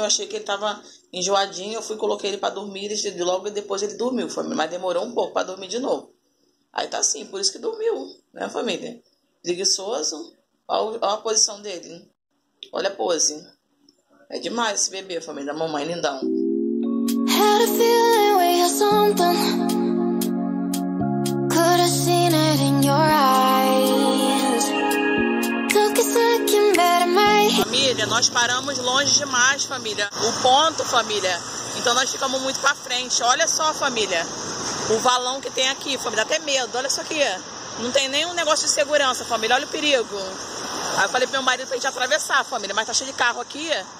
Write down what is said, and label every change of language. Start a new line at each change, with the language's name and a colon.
Portuguese: Eu achei que ele tava enjoadinho. Eu fui, coloquei ele pra dormir e logo depois ele dormiu, família. Mas demorou um pouco pra dormir de novo. Aí tá assim, por isso que dormiu, né, família? Preguiçoso. Olha a posição dele. Olha a pose. É demais esse bebê, família, da mamãe, lindão.
English: Had a feeling we had something. Could have seen it in your eyes. Took a second, better my...
Portuguese: Família, nós paramos longe demais, família. O ponto, família. Então nós ficamos muito pra frente. Olha só, família. O valão que tem aqui, família, dá até medo, olha isso aqui. Não tem nenhum negócio de segurança, família, olha o perigo. Aí eu falei pro meu marido pra gente atravessar, família, mas tá cheio de carro aqui.